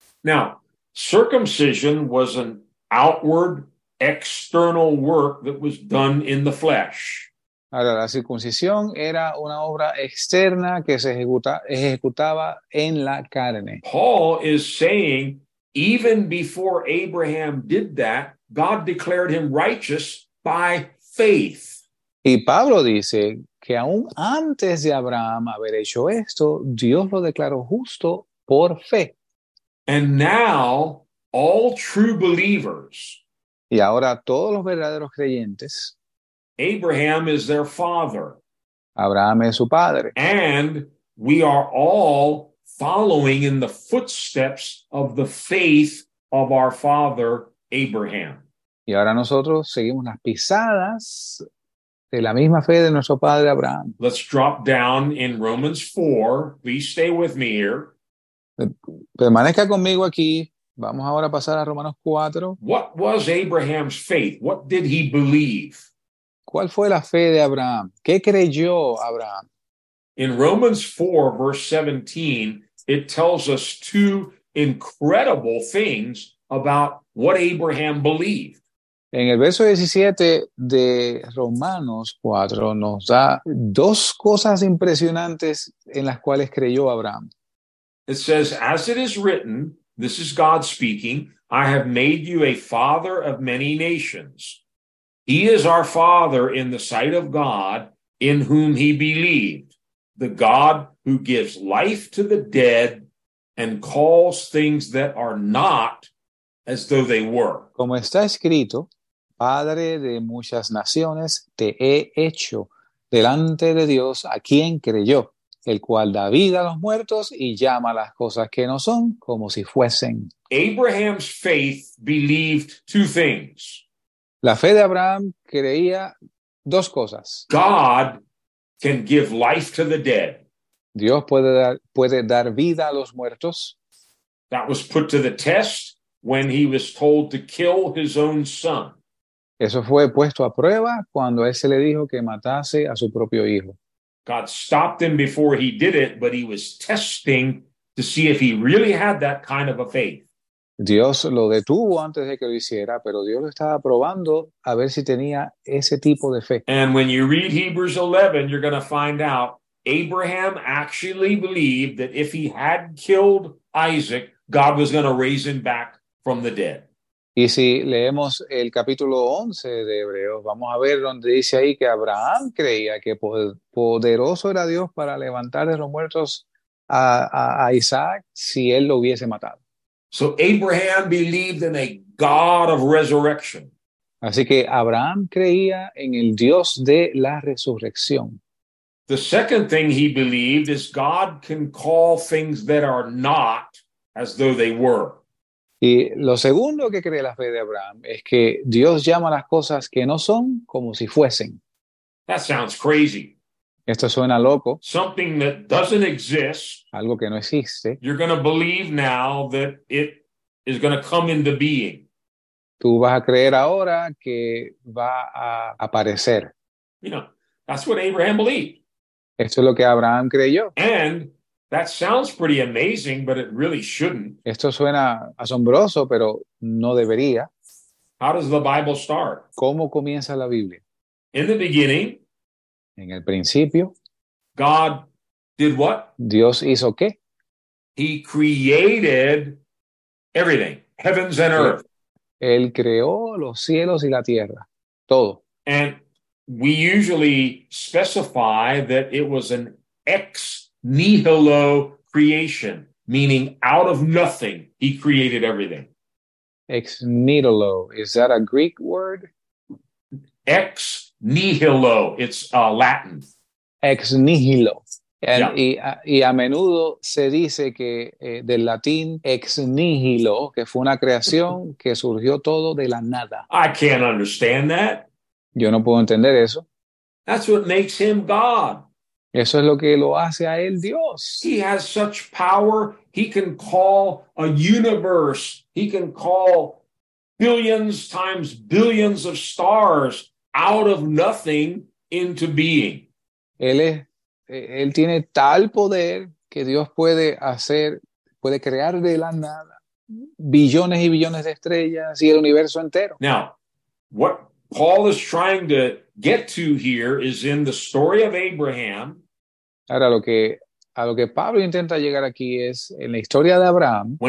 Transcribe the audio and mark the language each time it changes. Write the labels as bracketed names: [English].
[English] Now, circumcision was an outward, external work that was done in the flesh. [Spanish] Ahora, la circuncisión era una obra externa que se ejecutaba en la carne. [English] Paul is saying, even before Abraham did that, God declared him righteous by faith. [Spanish] Y Pablo dice que aún antes de Abraham haber hecho esto, Dios lo declaró justo por fe. [English] And now, all true believers. [Spanish] Y ahora todos los verdaderos creyentes. [English] Abraham is their father. [Spanish] Abraham es su padre. [English] And we are all following in the footsteps of the faith of our father Abraham. [Spanish] Y ahora nosotros seguimos las pisadas de la misma fe de nuestro padre Abraham. [English] Let's drop down in Romans 4. Please stay with me here. [Spanish] Permanezca conmigo aquí. Vamos ahora a pasar a Romanos 4. [English] What was Abraham's faith? What did he believe? [Spanish] ¿Cuál fue la fe de Abraham? ¿Qué creyó Abraham? [English] In Romans 4, verse 17, it tells us two incredible things about what Abraham believed. [Spanish] En el verso 17 de Romanos 4 nos da dos cosas impresionantes en las cuales creyó Abraham. [English] It says, as it is written, this is God speaking, I have made you a father of many nations. He is our father in the sight of God, in whom he believed, the God who gives life to the dead and calls things that are not as though they were. [Spanish] Como está escrito, padre de muchas naciones, te he hecho delante de Dios a quien creyó, el cual da vida a los muertos y llama las cosas que no son como si fuesen. [English] Abraham's faith believed two things. [Spanish] La fe de Abraham creía dos cosas. [English] God can give life to the dead. [Spanish] Dios puede dar vida a los muertos. [English] That was put to the test when he was told to kill his own son. [Spanish] Eso fue puesto a prueba cuando él se le dijo que matase a su propio hijo. [English] God stopped him before he did it, but he was testing to see if he really had that kind of a faith. [Spanish] Dios lo detuvo antes de que lo hiciera, pero Dios lo estaba probando a ver si tenía ese tipo de fe. [English] And when you read Hebrews 11, you're going to find out Abraham actually believed that if he had killed Isaac, God was going to raise him back from the dead. [Spanish] Y si leemos el capítulo 11 de Hebreos, vamos a ver donde dice ahí que Abraham creía que poderoso era Dios para levantar de los muertos a Isaac si él lo hubiese matado. [English] So Abraham believed in a God of resurrection. [Spanish] Así que Abraham creía en el Dios de la resurrección. [English] The second thing he believed is God can call things that are not as though they were. [Spanish] Y lo segundo que cree la fe de Abraham es que Dios llama las cosas que no son como si fuesen. [English] That sounds crazy. [Spanish] Esto suena loco. [English] Something that doesn't exist. [Spanish] Algo que no existe. [English] You're going to believe now that it is going to come into being. [Spanish] Tú vas a creer ahora que va a aparecer. [English] You know, that's what Abraham believed. [Spanish] Esto es lo que Abraham creyó. [English] And that sounds pretty amazing, but it really shouldn't. [Spanish] Esto suena asombroso, pero no debería. [English] How does the Bible start? [Spanish] ¿Cómo comienza la Biblia? [English] In the beginning. [Spanish] En el principio. [English] God did what? [Spanish] Dios hizo qué? [English] He created everything, heavens and earth. [Spanish] Él creó los cielos y la tierra, todo. [English] And we usually specify that it was an ex nihilo creation, meaning out of nothing, he created everything. Ex nihilo, is that a Greek word? Ex nihilo, it's Latin. Ex nihilo. And, yeah. [Spanish] Y a menudo se dice que del latín ex nihilo, que fue una creación que surgió todo de la nada. [English] I can't understand that. [Spanish] Yo no puedo entender eso. [English] That's what makes him God. [Spanish] Eso es lo que lo hace a él Dios. [English] He has such power, he can call a universe, he can call billions times billions of stars out of nothing into being. [Spanish] Él tiene tal poder que Dios puede crear de la nada billones y billones de estrellas y el universo entero. [English] Now, what Paul is trying to get to here is in the story of Abraham, [Spanish] Ahora, a lo que Pablo intenta llegar aquí es en la historia de Abraham,